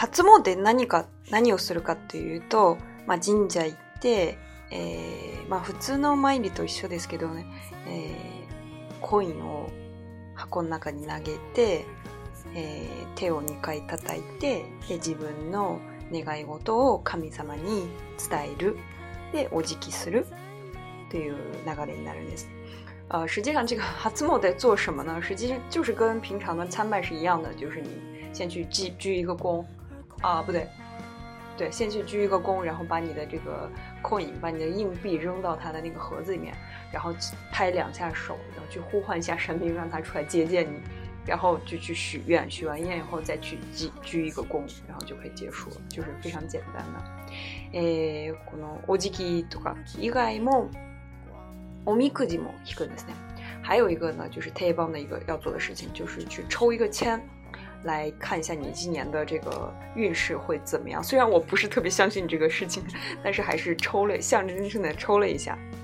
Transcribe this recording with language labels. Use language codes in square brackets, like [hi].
[ja] 初詣で何をするかというと、まあ、神社行って、まあ、普通の参りと一緒ですけどね、コインを箱の中に投げて、手を2回叩いて、で自分の願い事を神様に伝える、でお辞儀するという流れになるんです。 [zh] 实际上这个初詣在做什么呢？实际上就是跟平常的参拜是一样的，就是你先去鞠一个躬，不对，对，先去鞠一个躬，然后把你的这个coin，把你的硬币扔到他的那个盒子里面，然后拍两下手，然后去呼唤一下神明，让他出来接见你，然后就去许愿，许完愿以后再去鞠一个躬，然后就可以结束了，就是非常简单的。 [ja] このお辞儀とか以外もおみくじも引くんですね。 [zh] 还有一个呢，就是定番的一个要做的事情，就是去抽一个签，来看一下你今年的这个运势会怎么样。虽然我不是特别相信这个事情，但是还是抽了，象征性的抽了一下。